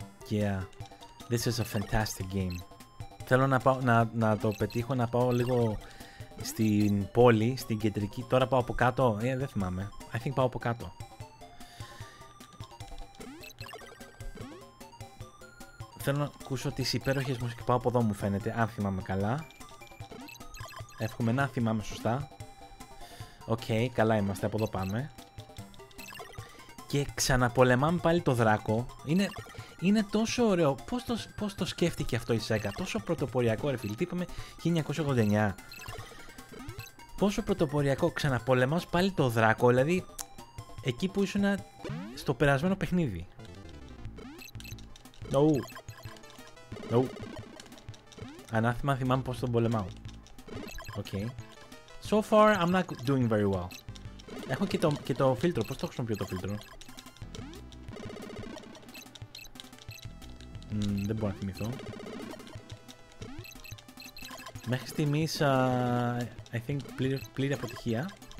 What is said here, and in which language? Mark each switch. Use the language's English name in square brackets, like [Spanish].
[English] Yeah, this is a fantastic game. [Greek] Θέλω να, πάω, να το πετύχω, να πάω λίγο στην πόλη, στην κεντρική. Τώρα πάω από κάτω. Δεν θυμάμαι. [English] I think [Greek] πάω από κάτω. Θέλω να ακούσω τις υπέροχες μουσικές. Πάω από εδώ μου φαίνεται, αν θυμάμαι καλά. Εύχομαι να θυμάμαι σωστά. Οκ, [English] okay, [Greek] καλά είμαστε, από εδώ πάμε. Και ξαναπολεμάμε πάλι το δράκο. Είναι τόσο ωραίο. Πώς το σκέφτηκε αυτό η Sega. Τόσο πρωτοποριακό, ρε φίλοι. Τι είπαμε, 1989. Πόσο πρωτοποριακό. Ξαναπολεμάς πάλι το δράκο. Δηλαδή, εκεί που ήσουν στο περασμένο παιχνίδι. [English] Νοου. Νοου. [Greek] Ανάθυμα θυμάμαι πώς τον πολεμάω. [English] Okay. So far, I'm not doing very well. [Greek] Έχω και το φίλτρο. Πώς το χρησιμοποιώ το φίλτρο. Δεν μπορώ να θυμηθώ. Μέχρι στιγμής, [English] I think, [Greek] πλήρη αποτυχία.